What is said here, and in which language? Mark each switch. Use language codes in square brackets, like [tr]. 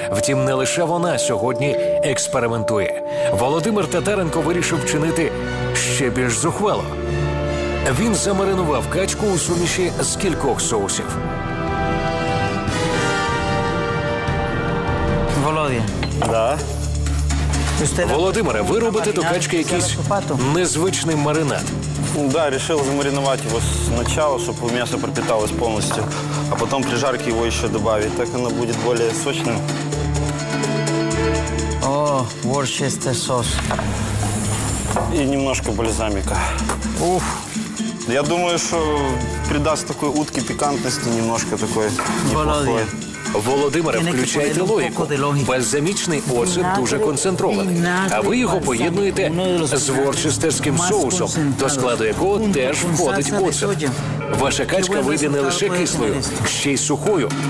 [uk] Втім, не лише вона сьогодні експериментує. Володимир Татаренко вирішив вчинити ще більш зухвало. Він замаринував качку у суміші з кількох соусів. Володя. [ru] Да. [uk] Володимире, ви робите до качки якийсь незвичний маринад. [ru] Да, решил замариновать его сначала, чтобы мясо пропиталось полностью, а потом при жарке его еще добавить. Так оно будет более сочным. О, ворчестерский соус. И немножко бальзамика. Уф. Я думаю, что придаст такой утке пикантности немножко такой неплохой. [uk] Володимире, включайте логіку. Бальзамічний оцет дуже концентрований. А ви його поєднуєте з ворчестерським соусом, до складу якого теж входить оцет. Ваша качка вийде не лише кислою, ще й сухою.